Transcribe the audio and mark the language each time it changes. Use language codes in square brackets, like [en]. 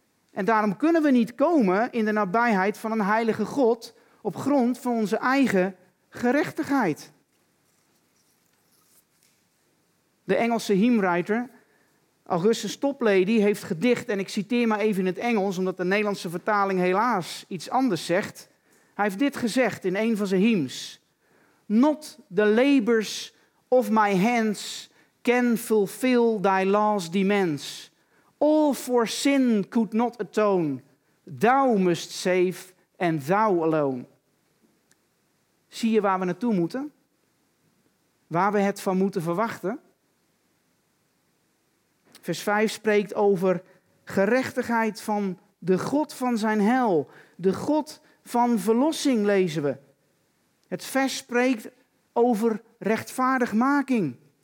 [nl] En daarom kunnen we niet komen in de nabijheid van een heilige God op grond van onze eigen gerechtigheid. De Engelse hymnwriter Augustus Toplady heeft gedicht, en ik citeer maar even in het Engels, omdat de Nederlandse vertaling helaas iets anders zegt. Hij heeft dit gezegd in een van zijn hymns. [en] Not the labors of my hands can fulfill thy law's demands. All for sin could not atone. Thou must save and thou alone. [nl] Zie je waar we naartoe moeten? Waar we het van moeten verwachten? Vers 5 spreekt over gerechtigheid van de God van zijn heil. De God van verlossing lezen we. Het vers spreekt over rechtvaardigmaking.